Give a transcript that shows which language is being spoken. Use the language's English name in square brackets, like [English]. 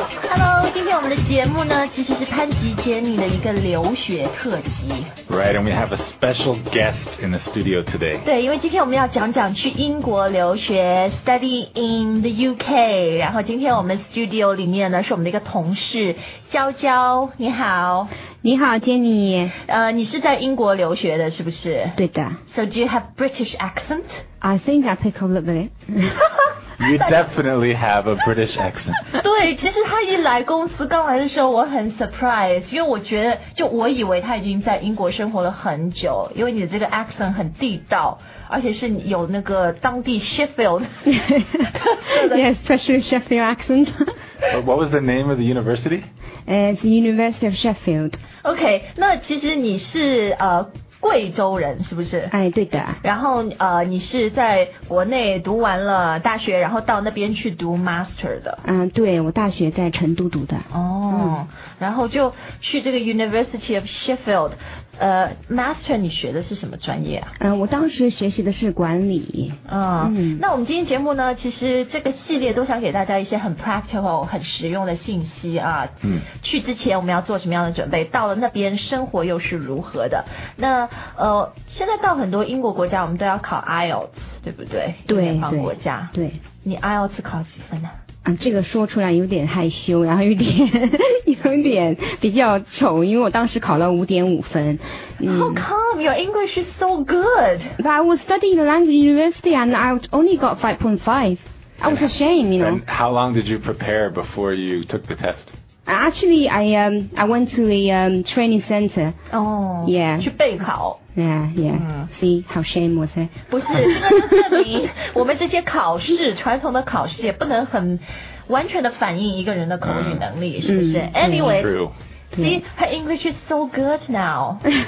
[Chinese] Hello， 今天我们的节目呢，其实是潘吉杰尼的一个留学特辑。 [English] Right, and we have a special guest in the studio today. [Chinese] 对，因为今天我们要讲讲去英国留学 ， [English] study in the UK。 [Chinese] 然后今天我们 studio 里面呢，是我们的一个同事娇娇，你好。你好，杰尼。你是在英国留学的，是不是？对的。 [English] So do you have British accent? I think I pick up a little bit. You definitely have a British accent. [Chinese] 对，其实他一来公司刚来的时候我很 surprise， 因为我觉得就我以为他已经在英国生活了很久，因为你的这个 accent 很地道，而且是有那个当地 Sheffield 特色的。 [English] Yes, especially Sheffield accent. What was the name of the university? It's the University of Sheffield. [Chinese] Okay, 那其实你是贵州人是不是？哎，对的。然后你是在国内读完了大学，然后到那边去读 master 的。嗯，对，我大学在成都读的。哦，然后就去这个 University of Sheffield。 Master 你学的是什么专业啊？我当时学习的是管理。那我们今天节目呢，其实这个系列都想给大家一些很 practical 很实用的信息啊。去之前我们要做什么样的准备，到了那边生活又是如何的。那现在到很多英国国家我们都要考 IELTS， 对不对？对，英联邦国家。对， 对，你 IELTS 考几分呢？啊，这个说出来有点害羞，然后有点比较丑，因为我当时考了5.5分。 [English] How come your English is so good? But I was studying the language university and I only got 5.5. I was ashamed, you know. And how long did you prepare before you took the test? Actually, I went to a training center. Oh, yeah. [Chinese] 去备考。 [English] Yeah, yeah.、See how shame was it? [Chinese] 不是，那就证明我们这些考试，传统的考试也不能很完全的反映一个人的口语能力，是不是？ [English] Anyway, see, her English is so good now.